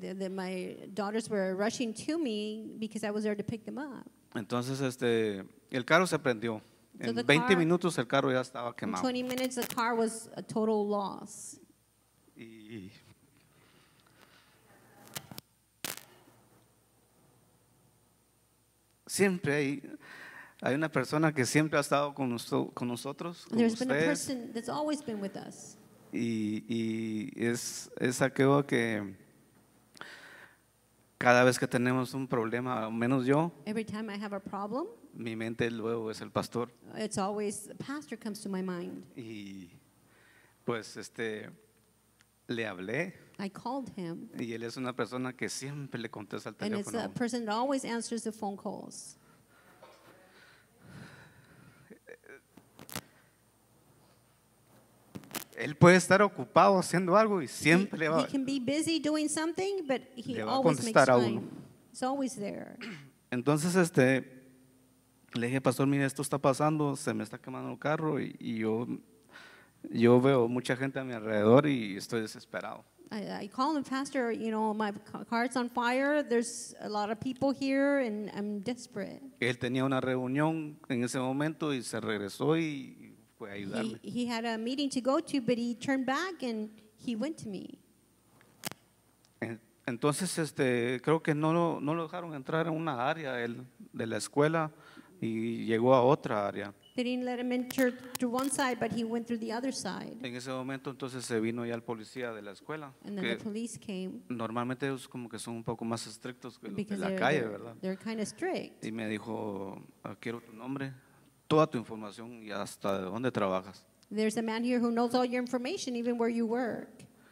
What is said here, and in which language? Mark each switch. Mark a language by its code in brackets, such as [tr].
[en] My daughters were rushing to me because I was there to pick them up. [es] Entonces el carro se prendió. En 20 minutos el carro ya estaba quemado. [en] In 20 minutes the car was a total loss. [es] Y siempre hay una persona que siempre ha estado con nosotros, con [en] There's [es] ustedes. [en] There's been a person that's always been with us. [es] Y es aquello que cada vez que tenemos un problema, menos yo, [en] every time I have a problem, [es] mi mente luego es el pastor. [en] It's always the pastor comes to my mind. [es] Y pues le hablé. [en] I called him. [es] Y él es una persona que siempre le contesta el teléfono. [en] And it's a person that always answers the phone calls. [es] Él puede estar ocupado haciendo algo y siempre le va. [en] He can be busy doing something, but he [es] le va [en] always [es] a contestar [en] makes [es] a uno. [en] Time. It's always there. [es] Entonces le dije, pastor, mire, esto está pasando, se me está quemando el carro y yo veo mucha gente a mi alrededor y estoy desesperado. [en] I call him, pastor, you know, my car's on fire, there's a lot of people here and I'm desperate. [es] Él tenía una reunión en ese momento y se regresó y [en] He had a meeting to go to, but he turned back and he went to me. [es] Entonces creo que no lo dejaron entrar en una área de la escuela y llegó a otra área. [en] They didn't let him enter through one side, but he went through the other side. [es] En ese momento entonces se vino ya el policía de la escuela. [en] And then the police came. [es] Normalmente ellos como que son un poco más estrictos que los de la calle, ¿verdad? [en] They're kind of strict. [es] Y me dijo, quiero tu nombre. Toda tu información y hasta dónde trabajas. [en] There's a man here who knows all your information, even where you work.